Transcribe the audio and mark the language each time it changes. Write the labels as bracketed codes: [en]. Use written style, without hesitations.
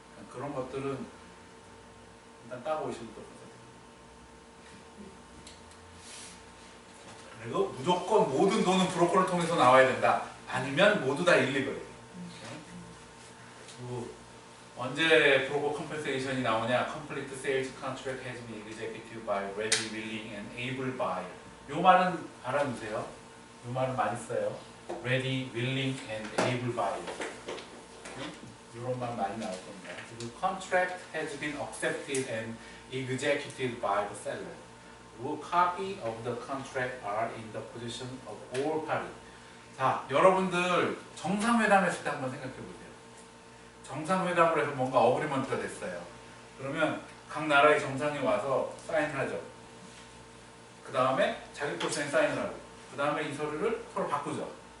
[ko] 그런 것들은 일단 따고 오시면 또 감사드립니다. 그리고 무조건 모든 돈은 브로커를 통해서 나와야 된다. 아니면 모두 다 일리거리. 언제 브로커 컴펜세이션이 나오냐? [en] Complete sales contract has been executed by ready, willing, and able buyer. [ko] 요 말은 알아두세요. 요 말은 많이 써요. [en] Ready, willing, and able buyer. [ko] 이런 말 많이 나올 겁니다. [en] The contract has been accepted and executed by the seller. The copy of the contract are in the possession of all parties. [ko] 자, 여러분들 정상회담 했을 때 한번 생각해 보세요. 정상회담을 해서 뭔가 어그리먼트가 됐어요. 그러면 각 나라의 정상이 와서 사인을 하죠. 그 다음에 자기 포션에 사인을 하고, 그 다음에 이 서류를 서로 바꾸죠.